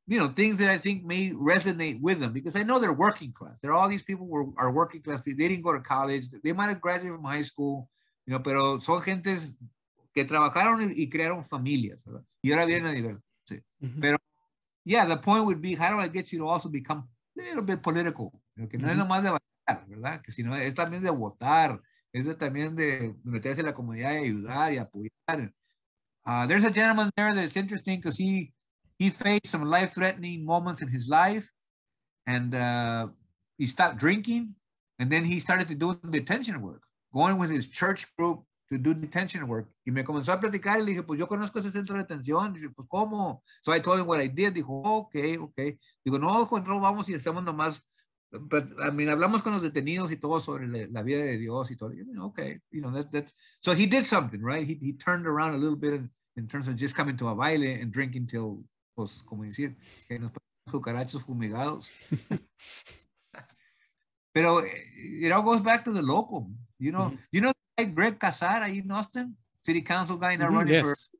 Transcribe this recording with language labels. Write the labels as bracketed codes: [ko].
[en] You know, things that I think may resonate with them, because I know they're working class. They're all these people are working class. They didn't go to college. They might have graduated from high school, you know, [es] pero son gentes que trabajaron y crearon familias, ¿verdad? Y ahora vienen a divertirse. [en] Mm-hmm. [es] Pero, [en] yeah, the point would be, how do I get you to also become a little bit political? [es] Que no es nomás de bailar, ¿verdad? Que sino es también de votar. Es de también de meterse en la comunidad y ayudar y apoyar. [en] There's a gentleman there that's interesting because he faced some life-threatening moments in his life, and he stopped drinking, And then he started to do detention work, going with his church group to do detention work. [es] Y me comenzó a platicar y le dije, pues yo conozco ese centro de detención. Dije, pues cómo. [en] So I told him what I did. [es] Dijo, okay, okay. Digo, no, Juan, no vamos y hacemos nomás. [en] But, I mean, [es] hablamos con los detenidos y todo sobre la vida de Dios y todo. [en] Okay, you know, that's, so he did something, right? He turned around a little bit in terms of just coming to a baile and drinking till, [es] pues, como decir, que nos ponen cucarachos fumigados. Pero [en] it all goes back to the local, you know. Mm-hmm. You know, like Greg Casar [es] ahí [en] in Austin, city council guy not running for...